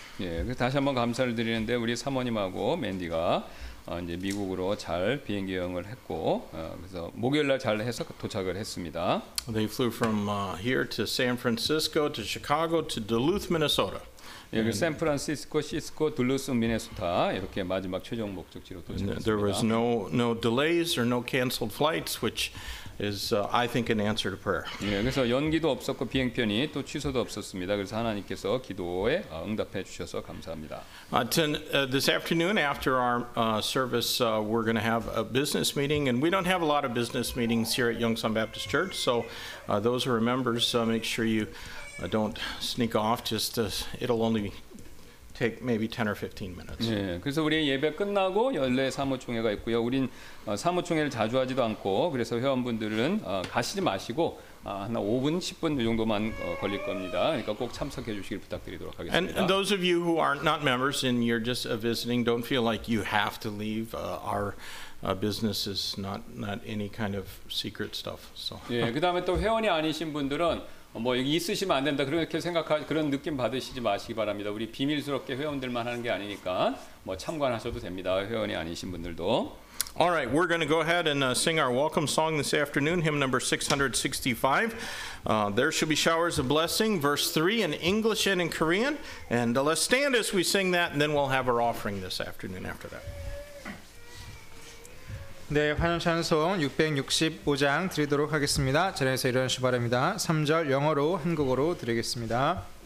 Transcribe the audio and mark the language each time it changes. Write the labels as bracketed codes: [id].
[ko] 예, 다시 한번 감사를 드리는데 우리 사모님하고 맨디가 이제 미국으로 잘 비행기 여행을 했고 그래서 목요일 날 잘 해서 도착을 했습니다. [en] They flew from here to San Francisco to Chicago to Duluth, Minnesota. [ko] 예, 그 샌프란시스코, 시스코, 둘루스, 미네소타 이렇게 마지막 최종 목적지로 도착했습니다. [en] There was no delays or no canceled flights, which is I think an answer to prayer. [ko] 예, 그래서 연기도 없었고 비행편이 또 취소도 없었습니다. 그래서 하나님께서 기도에 응답해 주셔서 감사합니다. [en] This afternoon after our service we're going to have a business meeting and we don't have a lot of business meetings here at Yongsan Baptist Church. So those who are members make sure you don't sneak off just as it'll only take maybe 10 or 15 minutes. [ko] 예, 그래서 우리 예배 끝나고 연례 사무총회가 있고요. 우린 사무총회를 자주 하지도 않고 그래서 회원분들은 가시지 마시고 한 5분 10분 정도만 걸릴 겁니다. 그러니까 꼭 참석해 주시길 부탁드리도록 하겠습니다. [en] And those of you who are not members and you're just visiting don't feel like you have to leave our business is not any kind of secret stuff. So [ko] 예, 그다음에 또 회원이 아니신 분들은 뭐 여기 있으시면 안 된다 그렇게 생각하 그런 느낌 받으시지 마시기 바랍니다. 우리 비밀스럽게 회원들만 하는 게 아니니까 뭐 참관하셔도 됩니다. 회원이 아니신 분들도. [en] All right, we're going to go ahead and sing our welcome song this afternoon, hymn number 665. There shall be showers of blessing, verse 3 in English and in Korean. And let's stand as we sing that, and then we'll have our offering this afternoon after that. [ko] 네, 환영찬송 665장 드리도록 하겠습니다. 자리에서 일어나시기 바랍니다. 3절 영어로 한국어로 드리겠습니다.